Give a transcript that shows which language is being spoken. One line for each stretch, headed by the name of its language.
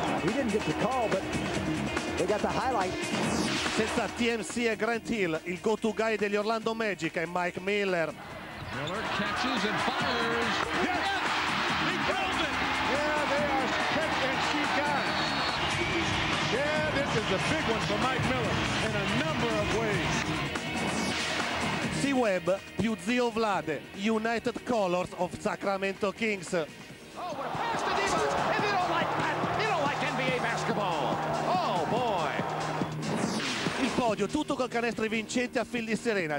English: He didn't get the call, but they got the highlight.
Italian: Senza TMC e Grant Hill, il go-to guy degli Orlando Magic è Mike Miller.
English: Miller catches and fires. Yes! He killed it! Yeah, they are hit and shoot guys. Yeah, this is a big one for Mike Miller in a number of ways.
Italian: C-Web più Zio Vlade,
English: United Colors of Sacramento Kings. Oh, what a pass to Diva! If you don't like that, you don't like NBA basketball! Oh, boy!
Italian: Il podio, tutto col canestro vincente a fil di Serena.